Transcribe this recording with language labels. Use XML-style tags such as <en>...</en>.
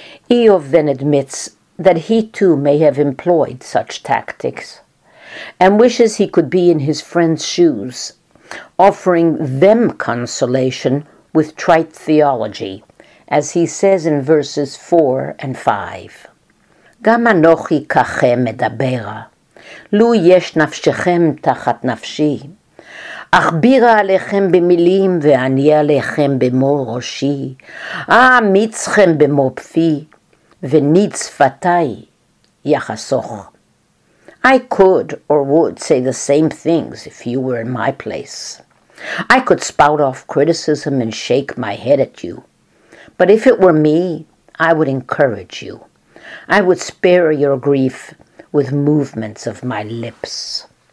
<en>Eov then admits that he too may have employed such tactics and wishes he could be in his friend's shoes, offering them consolation with trite theology, as he says in verses 4 and 5.</en> <he>גם אנוכי ככם מדברה, לו יש נפשכם תחת נפשי, אכבירה עליכם במילים ואני עליכם במו ראשי, אמיצכם במו פי ונית שפתי יחסוך.</he> <en>I could or would say the same things if you were in my place. I could spout off criticism and shake my head at you. But if it were me, I would encourage you. I would spare your grief with movements of my lips.</en>